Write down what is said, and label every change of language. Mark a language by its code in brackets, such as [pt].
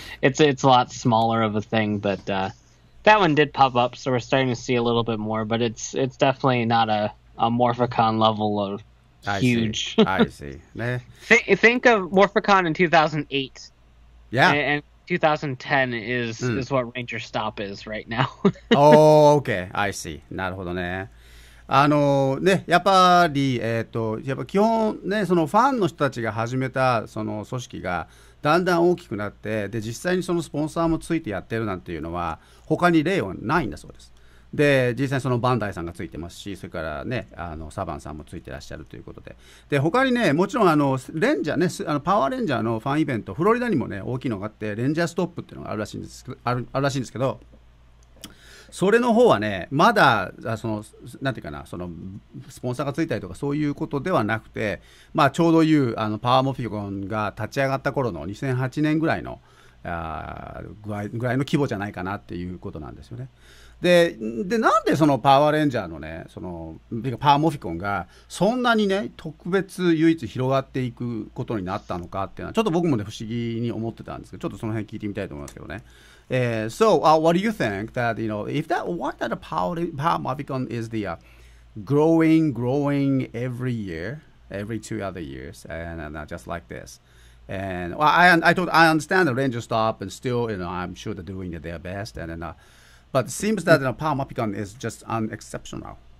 [en] It's a lot smaller of a thing, but that one did pop up, so we're starting to see a little bit more, but it's definitely not a Morphicon level of huge. I see. think of Morphicon in 2008. Yeah. And 2010 is what Ranger Stop is right now. Oh, okay. I see. なるほどね。 [ja] ね、やっぱり、やっぱ基本、ね、そのファンの人たちが始めたその組織がだんだん大きくなって、で実際にそのスポンサーもついてやってるなんていうのは他に例はないんだそうです。で実際そのバンダイさんがついてますし、それからね、あのサバンさんもついてらっしゃるということで、で他にね、もちろんあのレンジャーね、あのパワーレンジャーのファンイベント、フロリダにもね大きいのがあって、レンジャーストップっていうのがあるらしいんですけど、それの方はね、まだそのなんていうかな、そのスポンサーがついたりとかそういうことではなくて、まあちょうどいうあのパワーモフィゴンが立ち上がった頃の2008年ぐらいの具合の規模じゃないかなっていうことなんですよね。でなんでそのパワーレンジャーのね、そのパワーモフィコンがそんなにね特別唯一広がっていくことになったのかっていうのはちょっと僕もね不思議に思ってたんですけど、ちょっとその辺聞いてみたいと思いますけどね。 [en] So what do you think that, you know, if that, why that power Movicon is the growing every year, every two other years, and just like this. And well, I understand the Ranger stop and still, you know, I'm sure they're doing their best, and then, but it seems that, you know, power Movicon is just unexceptional.